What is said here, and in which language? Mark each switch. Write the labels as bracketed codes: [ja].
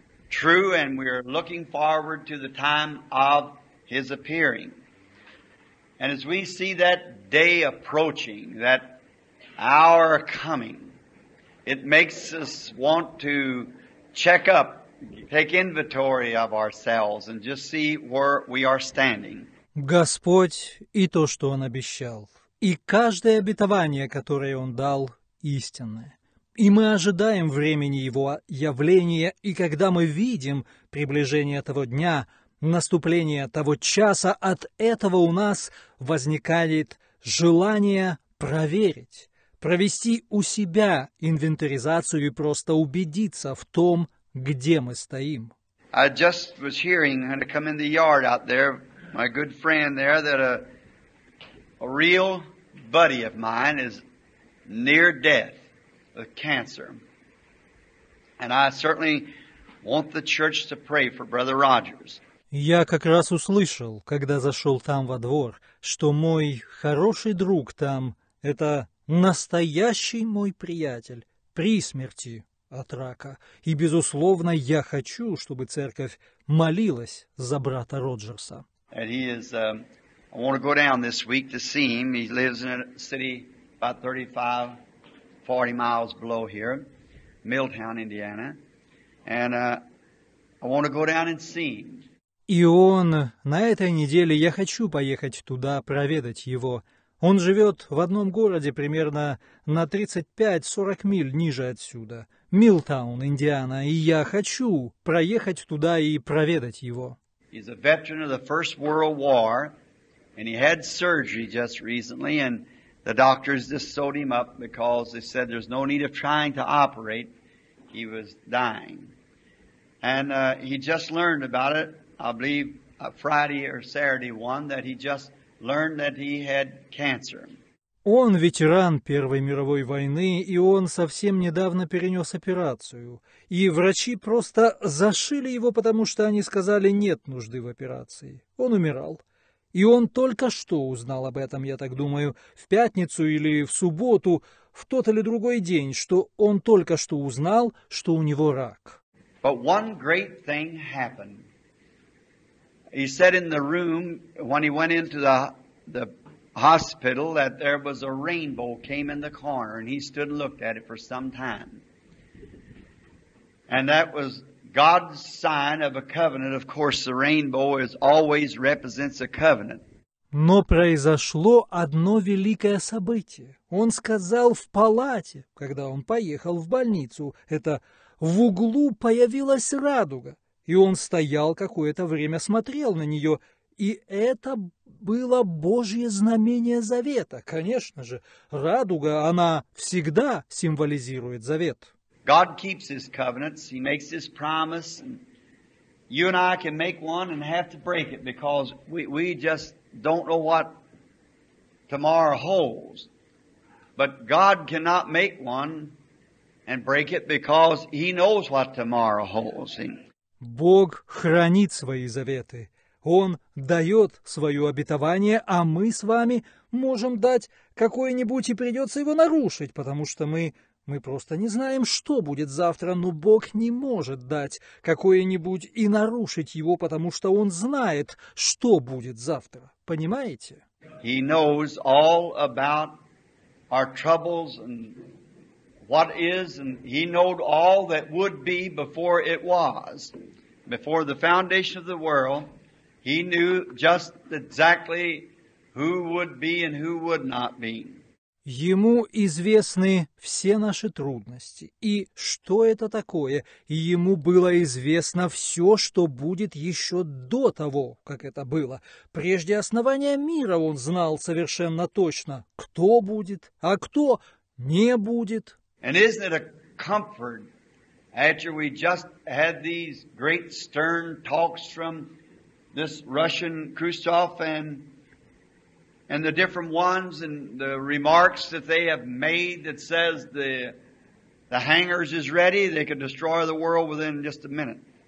[en] True, and we are looking forward to the time of His appearing. And as we see that day approaching, that hour coming, it makes us want to check up, take inventory of ourselves, and just see where we are standing. [ru] Господь и то, что Он обещал, и каждое обетование, которое Он дал, истинное. И мы ожидаем времени Его явления, и когда мы видим приближение того дня, наступление того часа, от этого у нас возникает желание проверить, провести у себя инвентаризацию и просто убедиться в том, где мы стоим. [en] I just was hearing, had to come in the yard out there, my good friend there, that a real buddy of mine is near death. With cancer, and I certainly want the church to pray for Brother Rogers. [ru] Я как раз услышал, когда зашел там во двор, что мой хороший друг там — это настоящий мой приятель при смерти от рака. И, безусловно, я хочу, чтобы церковь молилась за брата Роджерса. [en] And he is, I want to go down this week to see him. He lives in a city about 40 miles below here, Milltown, Indiana, and I want to go down and see him. [ru] И он на этой неделе я хочу поехать туда проведать его. Он живет в одном городе примерно на 35-40 миль ниже отсюда, Milltown, Indiana, и я хочу проехать туда и проведать его. [en] He's a veteran of the First World War, and he had surgery just recently, and the doctors just sewed him up because they said there's no need of trying to operate. He was dying. And he just learned about it, I believe, Friday or Saturday one, that he just learned that he had cancer. [ru] Он ветеран Первой мировой войны, и он совсем недавно перенес операцию. И врачи просто зашили его, потому что они сказали, нет нужды в операции. Он умирал. И он только что узнал об этом, я так думаю, в пятницу или в субботу, в тот или другой день, что он только что узнал, что у него рак. [en] But one great thing happened. He said in the room, when he went into the hospital, that there was a rainbow came in the corner, and he stood and looked at it for some time. And that was God's sign of a covenant. Of course, the rainbow is always represents a covenant. [ru] Но произошло одно великое событие. Он сказал в палате, когда он поехал в больницу, это в углу появилась радуга, и он стоял какое-то время, смотрел на нее, и это было Божье знамение завета. Конечно же, радуга, она всегда символизирует завет. [en] God keeps His covenants. He makes His promise. And you and I can make one and have to break it because we just don't know what tomorrow holds. But God cannot make one and break it because He knows what tomorrow holds. [ru] Бог хранит свои заветы. Он дает свое обетование, а мы с вами можем дать какое-нибудь и придется его нарушить, потому что мы просто не знаем, что будет завтра, но Бог не может дать какое-нибудь и нарушить его, потому что Он знает, что будет завтра. Понимаете? [en] He knows all about our troubles and what is, and He knows all that would be before it was. Before the foundation of the world, He knew just exactly who would be and who would not be. [ru] Ему известны все наши трудности. И что это такое? И ему было известно все, что будет еще до того, как это было. Прежде основания мира он знал совершенно точно, кто будет, а кто не будет. [en] And isn't it a comfort after we just had these great stern talks from this Russian Khrushchev and the different ones and the remarks that they have made that says the hangars is ready, they could destroy the world within just a minute.